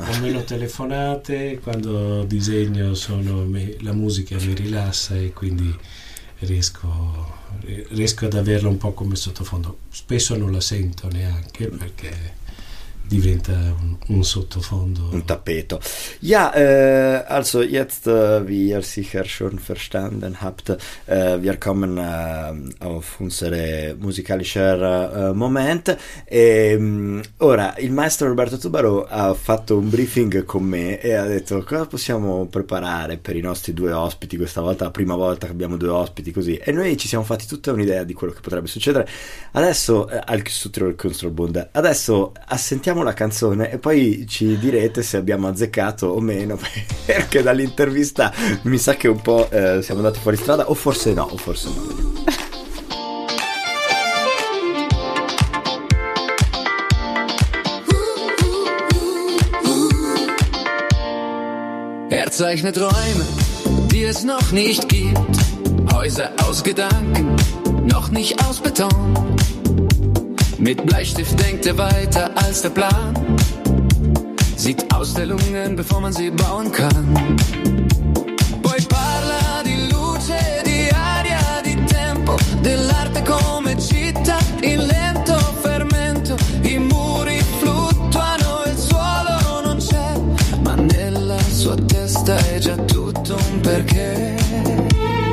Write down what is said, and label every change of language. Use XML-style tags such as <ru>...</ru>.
<it>Ho meno telefonate, quando disegno la musica mi rilassa e quindi riesco ad averla un po' come sottofondo. Spesso non la sento neanche perché diventa un sottofondo. Un tappeto.</it> <de>Ja, also jetzt, wie ihr sicher schon verstanden habt, wir kommen auf unsere musikalischer Moment.</de> <it>E, ora, il maestro Roberto Tubaro ha fatto un briefing con me e ha detto cosa possiamo preparare per i nostri due ospiti, questa volta la prima volta che abbiamo due ospiti così. E noi ci siamo fatti tutta un'idea di quello che potrebbe succedere. Adesso, assentiamo la canzone e poi ci direte se abbiamo azzeccato o meno, perché dall'intervista mi sa che un po' siamo andati fuori strada, o forse no, o forse no.</it> <de>Er zeichnet Räume, die es noch nicht gibt, Häuser aus Gedanken, noch nicht aus Beton. Mit Bleistift denkt er weiter als der Plan. Sieht Ausstellungen, bevor man sie bauen kann.</de> <it>Poi parla di luce, di aria, di tempo. Dell'arte come città in lento fermento. I muri fluttuano, il suolo non c'è. Ma nella sua testa è già tutto un perché.</it>